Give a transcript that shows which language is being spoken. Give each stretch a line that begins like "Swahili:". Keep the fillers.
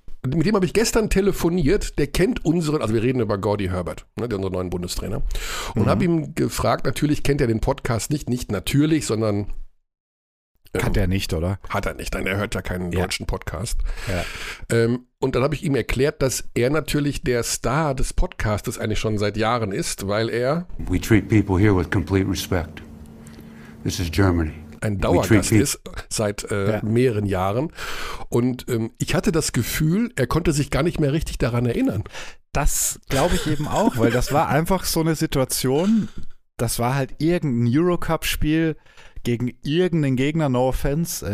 German: mit dem habe ich gestern telefoniert, der kennt unseren, also wir reden über Gordy Herbert, ne, der unseren neuen Bundestrainer, und habe ihm gefragt, natürlich kennt er den Podcast nicht, nicht natürlich, sondern Kann der nicht, oder? hat er nicht, denn er hört ja keinen Ja. deutschen Podcast. Ja. Ähm, und dann habe ich ihm erklärt, dass er natürlich der Star des Podcastes eigentlich schon seit Jahren ist, weil er
English: We treat people here with complete respect. This is Germany.
German: ein
English: We
German: Dauergast
English: treat people-
German: ist seit äh, Ja. mehreren Jahren. Und ähm, ich hatte das Gefühl, er konnte sich gar nicht mehr richtig daran erinnern. Das glaube ich eben auch, weil das war einfach so eine Situation, das war halt irgendein Eurocup-Spiel gegen irgendeinen Gegner,
English: no offense.